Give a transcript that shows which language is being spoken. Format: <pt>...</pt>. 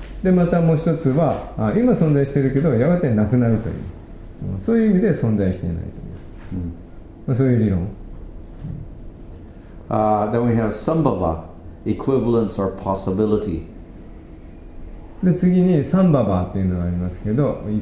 <ja>でまたもう一つは今存在してるけどやがてなくなるという、そういう意味で存在していないという、そういう理論。</ja> <en>Then we have sambhava, equivalence or possibility.</en> <ja>で次にサンババっていうのがありますけど、</ja>